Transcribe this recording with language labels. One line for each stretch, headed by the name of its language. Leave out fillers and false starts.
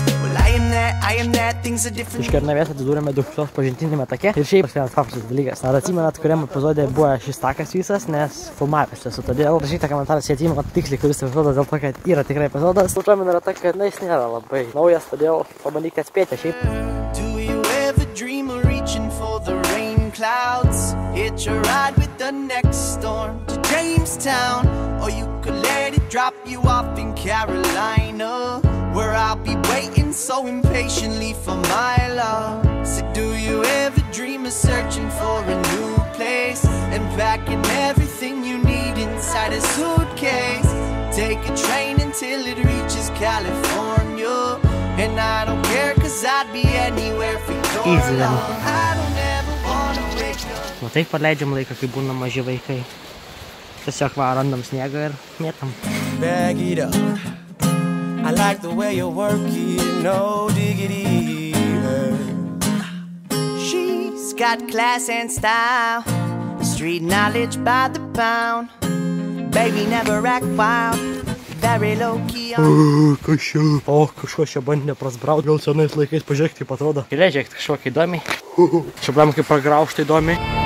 Lithuanian: Iš Kernavės atsidūrėme Dūkštos pažintinėme take. Ir šiaip pas vienas paprastas dalykas. Ar atsimenat, kuriam epizode buvo šis takas visas, nes filmavęs esu todėl. Rašykite komentarą, jei atsimenat tiksliai, kuris epizodas dėl to, kad yra tikrai epizodas. Užuomina yra ta, kad na, jis nėra labai naujas, todėl pabandyk atspėti šiaip.
English: Do you ever dream of reaching for the rain clouds? Hitch a ride with the next storm to Jamestown. Or you could let it drop you off in Carolina. Where I'll be waiting so impatiently for my love. So do you ever dream of searching for a new place? And packing everything you need inside a suitcase. Take a train until it reaches California. And I don't care cause I'd be anywhere for your love. I don't ever wanna wake up.
Lithuanian: Va taip paleidžiam laiką, kai būna maži vaikai. Tiesiog va randam sniegą ir mėtam.
English: Bag it up. I like the way you're working, no diggity. She's got class and style, street knowledge by the pound. Baby never act wild, very low key on.
Lithuanian: Kažkas čia bandė prasbraut, gal senais laikais, pažiūrėk, kaip atrodo. Gerai, žiūrėk, kažkokia įdomi. Čia problema, kaip pragraužta įdomi.